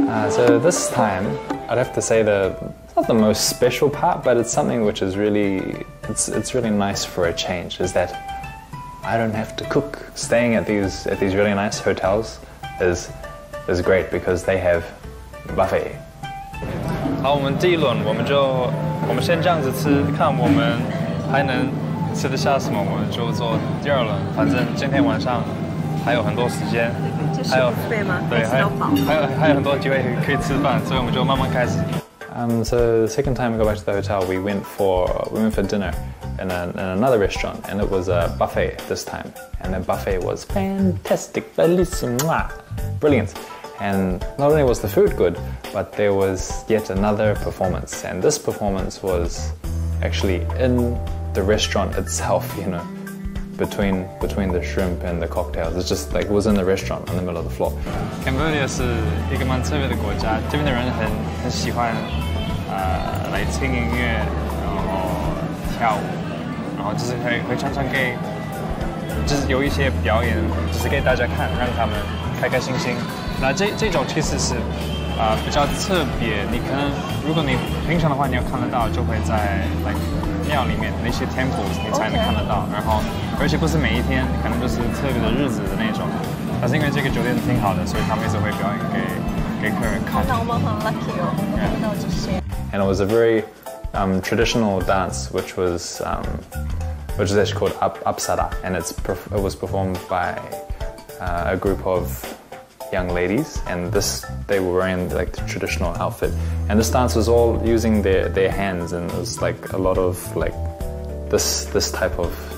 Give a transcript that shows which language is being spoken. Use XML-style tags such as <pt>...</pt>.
<en>So this time, I'd have to say the not the most special part, but it's something which is really, it's really nice for a change, is that I don't have to cook. Staying at these really nice hotels is great, because they have buffet.</en> <zh>好，我们第一轮我们先这样子吃，看我们还能吃得下什么，我们就做第二轮。反正今天晚上还有很多时间。</zh> <en>So the second time we go back to the hotel, we went for dinner in another restaurant, and it was a buffet this time. And the buffet was fantastic, bellissima, brilliant. And not only was the food good, but there was yet another performance. And this performance was actually in the restaurant itself, you know. Between the shrimp and the cocktails, it's just like it was in the restaurant in the middle of the floor. Cambodia is a</en> <zh>蛮特别的国家，这边的人很喜欢来听音乐，然后跳舞，然后就是会常常给，就是有一些表演，就是给大家看，让他们开开心心。那这种其实是比较特别，你可能如果你平常的话，你要看得到，就会在 庙里面那些 temples 你才能看得到， okay. 然后。而且不是每一天，可能就是特别的日子的那种。但是因为这个酒店挺好的，所以他们一直会表演给客人看。看到我们很 lucky 哦，看到这些。</zh> <en>And it was a very traditional dance, which is actually called Upsada, and it was performed by a group of young ladies. And they were wearing like the traditional outfit. And this dance was all using their hands, and it was like a lot of like this type of.</en>